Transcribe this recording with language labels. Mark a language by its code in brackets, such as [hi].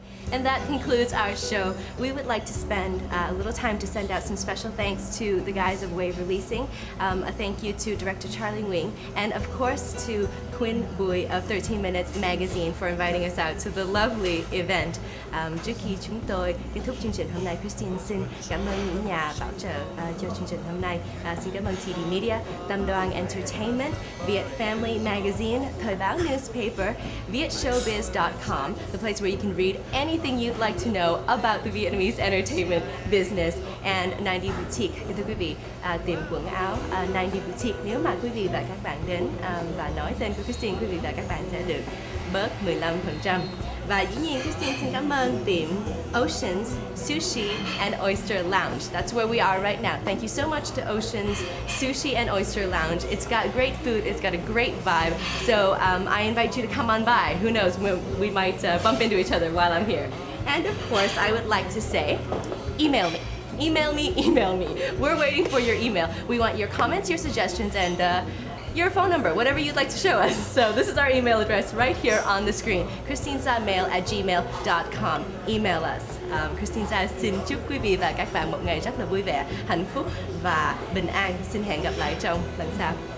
[en] And that concludes our show. We would like to spend a little time to send out some special thanks to the guys of Wave Releasing. A thank you to Director Charlie Nguyen, and of course to Quin Bui of 13 Minutes Magazine for inviting us out to the lovely event. [vi] Trước khi chúng tôi kết thúc chương trình hôm nay, Kristine xin cảm ơn những nhà bảo trợ cho chương trình hôm nay. Xin cảm ơn [en] TD Media, Tam Doan Entertainment, VIETFAMILY Magazine, Thoi Bao Newspaper, VietShowbiz.com, the place where you can read anything you'd like to know about the Vietnamese entertainment business, and 90 Boutique. [vi] Kính thưa quý vị, tìm quần áo 90 Boutique. Nếu mà quý vị và các bạn đến và nói tên của Kristine, quý vị và các bạn sẽ được bớt 15%. Và dĩ nhiên, Kristine xin cảm ơn tìm Oceans, Sushi and Oyster Lounge. [en] That's where we are right now. Thank you so much to Oceans, Sushi and Oyster Lounge. It's got great food, it's got a great vibe. So I invite you to come on by. Who knows, we might bump into each other while I'm here. And of course, I would like to say, email me. Email me, email me. We're waiting for your email. We want your comments, your suggestions, and your phone number, whatever you'd like to show us. So this is our email address right here on the screen. KristineSaMail@gmail.com. Email us. [vi] Kristine Sa xin chúc quý vị và các bạn một ngày rất là vui vẻ, hạnh phúc và bình an. Xin hẹn gặp lại trong lần sau.